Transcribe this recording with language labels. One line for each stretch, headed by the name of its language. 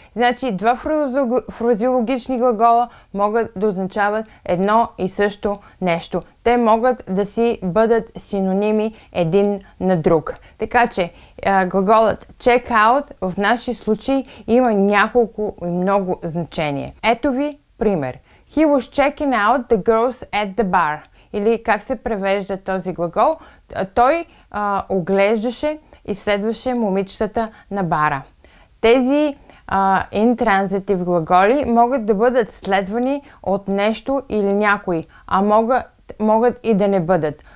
Bulgarian: Значи два фразеологични глагола могат да означават едно и също нещо. Те могат да си бъдат синоними един на друг. Така че глаголът check out в нашия случай има няколко и много значения. Ето ви пример.
English: He was checking out the girls at the bar.
Bulgarian: Или как се превежда този глагол? Той оглеждаше и следваше момичетата на бара. Тези intransitive глаголи могат да бъдат следвани от нещо или някой, а могат и да не бъдат.